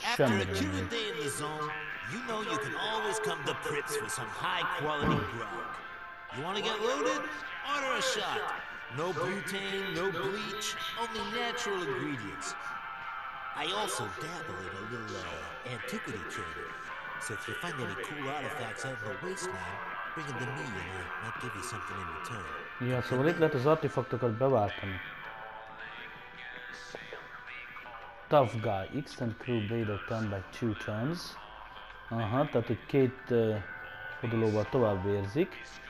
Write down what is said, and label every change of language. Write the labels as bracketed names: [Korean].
[English] after a killer day in the zone, you know you can always come to Pritz for some high-quality grog. You want to get loaded? Order a shot. No butane, no bleach, only natural ingredients. I also dabble in a little antiquity trading. So if you find any cool artifacts out in the wasteland, bring them to me and I'll give you something in return. [Hungarian] Ja, szóval itt lehet az artifaktokat beváltani. [English] Tough guy, extend crew blade of time by 2 turns. [Hungarian] Aha, tehát hogy két fordulóval tovább érzik.